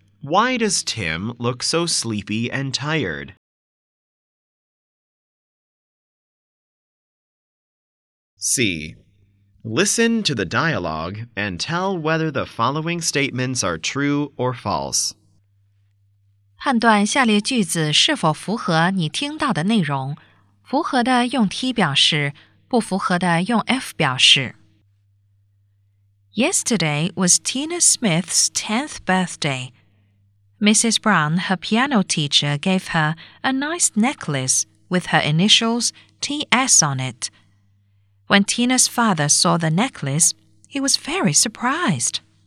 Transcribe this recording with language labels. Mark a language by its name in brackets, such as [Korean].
[English] Why does Tim look so sleepy and tired? 15. Listen to the dialogue and tell whether the following statements are true or false. [Chinese] 判断下列句子是否符合你听到的内容。符合的用 T 表示，不符合的用 F 表示。 [English] Yesterday was Tina Smith's 10th birthday. Mrs. Brown, her piano teacher, gave her a nice necklace with her initials TS on it. When Tina's father saw the necklace, he was very surprised.